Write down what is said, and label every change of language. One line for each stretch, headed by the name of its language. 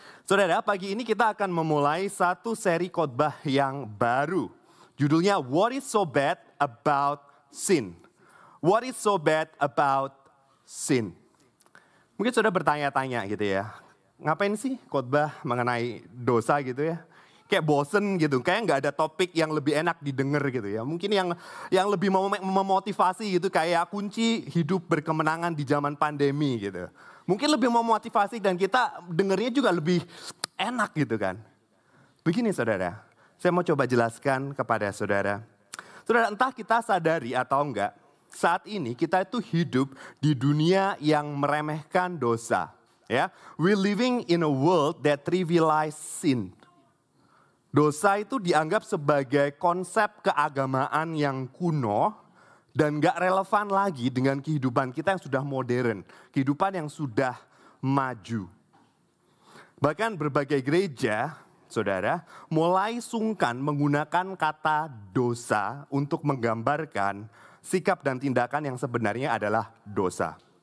Indonesian: Saudara, pagi ini kita akan memulai satu seri khotbah yang baru.
English: Judulnya What is so bad about sin? What is so bad about sin?
Indonesian: Mungkin sudah bertanya-tanya gitu ya. Ngapain sih khotbah mengenai dosa gitu ya? Kayak bosen gitu, kayak nggak ada topik yang lebih enak didengar gitu ya. Mungkin yang lebih memotivasi gitu, kayak kunci hidup berkemenangan di zaman pandemi gitu. Mungkin lebih memotivasi dan kita dengernya juga lebih enak gitu kan. Begini saudara, saya mau coba jelaskan kepada saudara. Saudara, entah kita sadari atau enggak, saat ini kita itu hidup di dunia yang meremehkan dosa.
English: Ya, we're living in a world that trivializes sin.
Indonesian: Dosa itu dianggap sebagai konsep keagamaan yang kuno dan gak relevan lagi dengan kehidupan kita yang sudah modern, kehidupan yang sudah maju. Bahkan berbagai gereja, saudara, mulai sungkan menggunakan kata dosa untuk menggambarkan sikap dan tindakan yang sebenarnya adalah dosa.